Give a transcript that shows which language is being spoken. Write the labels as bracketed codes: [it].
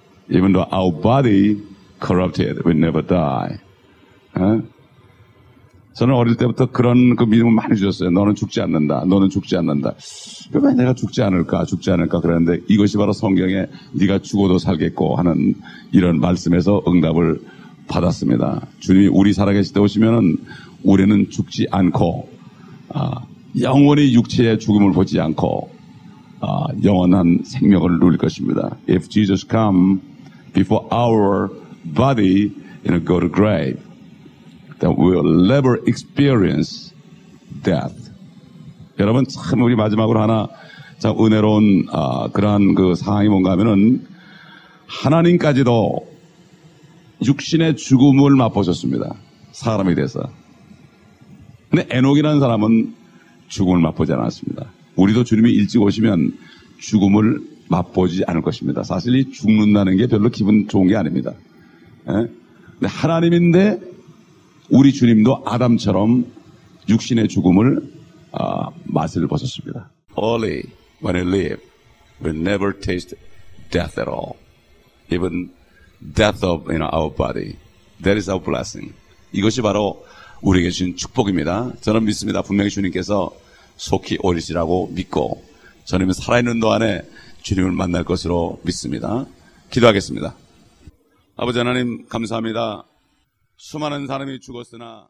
[en] Even though our body corrupted, we never die. [ko] 저는 어릴 때부터 그런 그 믿음을 많이 주셨어요. 너는 죽지 않는다. 너는 죽지 않는다. 왜 내가 죽지 않을까? 죽지 않을까? 그랬는데 이것이 바로 성경에 네가 죽어도 살겠고 하는 이런 말씀에서 응답을 받았습니다. 주님이 우리 살아계실 때 오시면은 우리는 죽지 않고 영원히 육체의 죽음을 보지 않고 영원한 생명을 누릴 것입니다. [en] If Jesus come before our body in a go to grave, then we will never experience death. [ko] 여러분 참 우리 마지막으로 하나 참 은혜로운 그러한 그 상황이 뭔가 하면은 하나님까지도 육신의 죽음을 맛보셨습니다. 사람이 돼서. 근데 에녹이라는 사람은 죽음을 맛보지 않았습니다. 우리도 주님이 일찍 오시면 죽음을 맛보지 않을 것입니다. 사실 이 죽는다는 게 별로 기분 좋은 게 아닙니다. 예? 근데 하나님인데 우리 주님도 아담처럼 육신의 죽음을 맛을 보셨습니다. [en] Only when we live, we never taste death at all. Even death of you know, our body. That is our blessing. [ko] 이것이 바로 우리에게 주신 축복입니다. 저는 믿습니다. 분명히 주님께서 속히 오리시라고 믿고 저는 살아있는 동안에 주님을 만날 것으로 믿습니다. 기도하겠습니다. 아버지 하나님 감사합니다. 수많은 사람이 죽었으나